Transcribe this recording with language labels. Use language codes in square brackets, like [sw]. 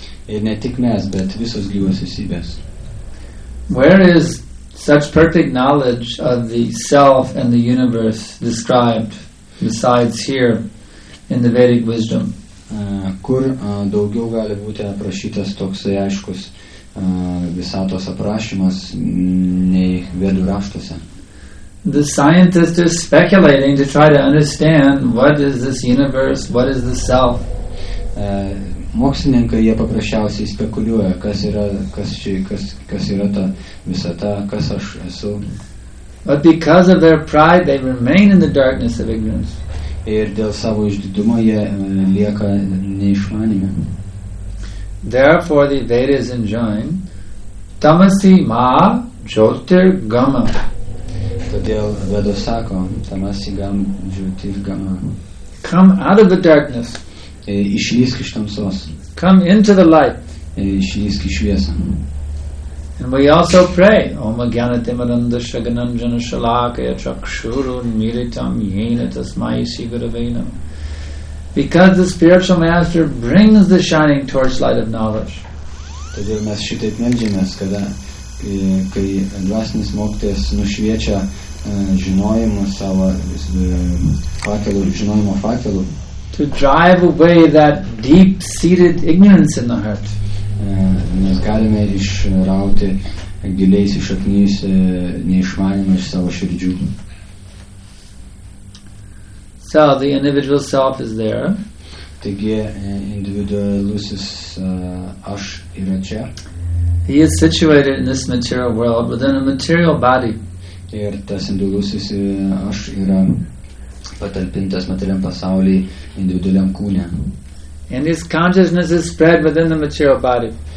[lt] Ir ne tik mes, bet visos gyvos esybės. [en] Where is such perfect knowledge of the self and the universe described besides here in the Vedic wisdom? [lt] Kur daugiau gali būti aprašytas toks aiškus visatos aprašymas nei Vedų raštuose? [en] The scientist is speculating to try to understand what is this universe, what is the self. [lt] Mokslininkai jie paprasčiausiai spekuliuoja, kas yra, kas yra ta visata, kas aš esu. [en] But because of their pride, they remain in the darkness of ignorance. [lt] Ir dėl savo išdidumo jie lieka neišmanime. [en] Therefore the Vedas enjoin [sa] tamasi ma jyotir gama. [lt] Todėl Vedos sako [sa] tamasi gam jyotir gama. [en] Come out of the darkness. [lt] Išlysk iš tamsos. [en] Come into the light. [lt] Išlysk į šviesą. [en] And we also pray, [sa] Om Agyanate Madanda Shaganam Jana Shalakaya Chakshurun Miritam Yena Tasmai Sigurabhena. [en] Because the spiritual master brings the shining torchlight of knowledge. [lt] Todėl mes šitaip meldžiamės, kada kai dvasinis mokytojas nušviečia žinojimą savo fakelų, žinojimo fakelų. [en] To drive away that deep seated ignorance in the heart. [lt] Mes galime išrauti giliais įšaknys neišmanimą iš savo širdžių. [en] So the individual self is there. [lt] Taigi individualusis aš yra čia. [en] He is situated in this material world within a material body. [lt] Ir tas individualusis aš yra patalpintas materialiam pasaulį individualiam kūne. [en] And his consciousness is spread within the material body.